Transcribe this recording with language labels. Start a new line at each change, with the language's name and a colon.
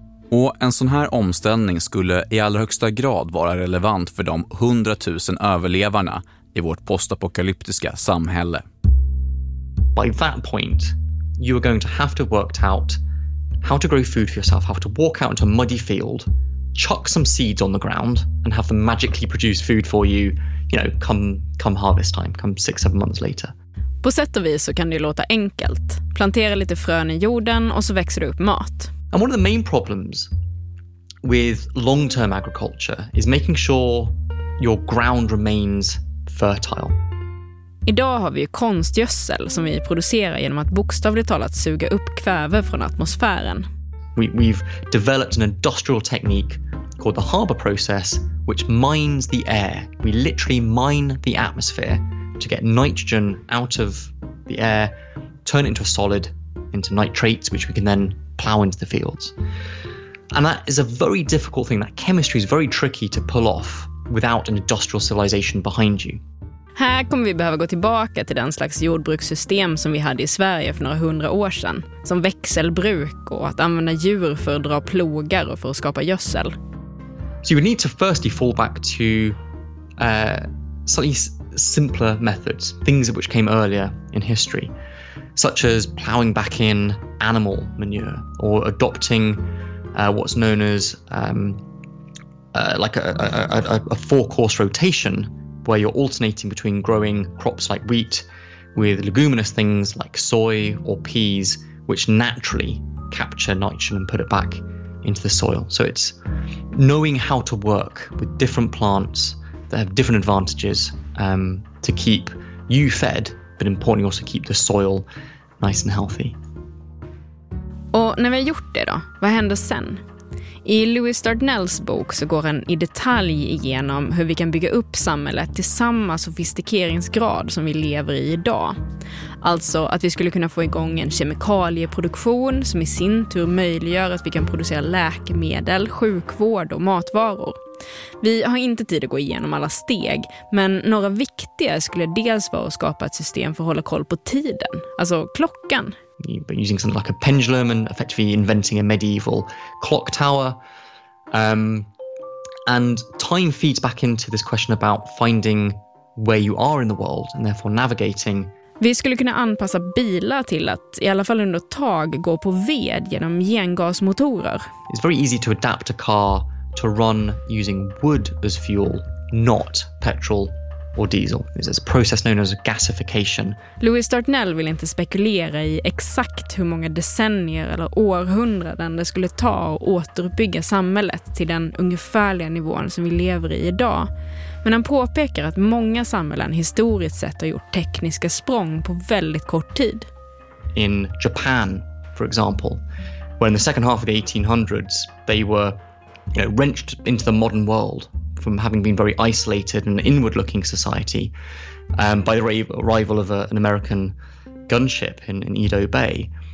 Swedish: Och en sån här omställning skulle i allra högsta grad vara relevant för de 100 000 överlevarna i vårt postapokalyptiska samhälle.
English: By that point, you are going to have to work out how to grow food for yourself, how to walk out into a muddy field, chuck some seeds on the ground and have them magically produce food for you, you know, come harvest time, come 6-7 months later.
Swedish: På sätt och vis så kan det ju låta enkelt. Plantera lite frön i jorden och så växer det upp mat.
English: And one of the main problems with long-term agriculture is making sure your ground remains fertile.
Swedish: Idag har vi ju konstgödsel som vi producerar genom att bokstavligt talat suga upp kväve från atmosfären.
English: We've developed an industrial technique called the Haber process, which mines the air. We literally mine the atmosphere to get nitrogen out of the air, turn it into a solid, into nitrates, which we can then plow into the fields. And that is a very difficult thing. That chemistry is very tricky to pull off without an industrial civilization behind you.
Swedish: Här kommer vi behöva gå tillbaka till den slags jordbrukssystem som vi hade i Sverige för några hundra år sedan. Som växelbruk och att använda djur för att dra plogar och för att skapa gödsel.
English: So you would need to firstly fall back to slightly simpler methods. Things which came earlier in history. Such as plowing back in animal manure or adopting what's known as like a four-course rotation, where you're alternating between growing crops like wheat with leguminous things like soy or peas, which naturally capture nitrogen and put it back into the soil. So it's knowing how to work with different plants that have different advantages to keep you fed, but importantly also keep the soil nice and healthy.
Swedish: Och när vi har gjort det då, vad händer sen? I Lewis Dardenells bok så går han i detalj igenom hur vi kan bygga upp samhället till samma sofistikeringsgrad som vi lever i idag. Alltså att vi skulle kunna få igång en kemikalieproduktion som i sin tur möjliggör att vi kan producera läkemedel, sjukvård och matvaror. Vi har inte tid att gå igenom alla steg, men några viktiga skulle dels vara att skapa ett system för att hålla koll på tiden, alltså klockan.
English: But using something like a pendulum and effectively inventing a medieval clock tower. And time feeds back into this question about finding where you are in the world and therefore navigating.
Swedish: Vi skulle kunna anpassa bilar till att i alla fall under ett tag gå på ved genom gengasmotorer.
English: It's very easy to adapt a car to run using wood as fuel, not petrol. Or diesel. It's a process known as gasification.
Swedish: Lewis Dardenell vill inte spekulera i exakt hur många decennier eller århundraden det skulle ta att återuppbygga samhället till den ungefärliga nivån som vi lever i idag. Men han påpekar att många samhällen historiskt sett har gjort tekniska språng på väldigt kort tid.
English: In Japan, for example, where in the second half of the 1800s they were, you know, wrenched into the modern world from having been very isolated and inward-looking society by the arrival of an American gunship in Edo Bay.